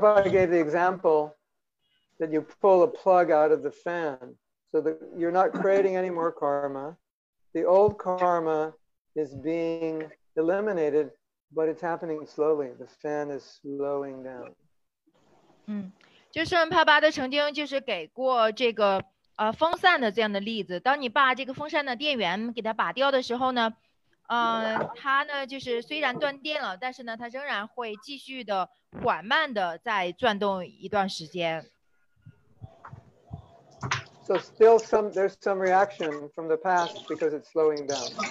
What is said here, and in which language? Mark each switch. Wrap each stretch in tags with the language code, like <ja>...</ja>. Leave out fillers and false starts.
<en>gave the example that you pull a plug out of the fan, so that you're not creating any more karma. The old karma is being eliminated, but it's happening slowly. The fan is slowing down.</en> <zh>就是圣人帕巴的曾经就是给过这个风扇的这样的例子。当你把这个风扇的电源给它拔掉的时候呢，它呢就是虽然断电了，但是呢它仍然会继续的缓慢的在转动一段时间。</zh> <en>So still there's some reaction from the past because it's slowing down.</en>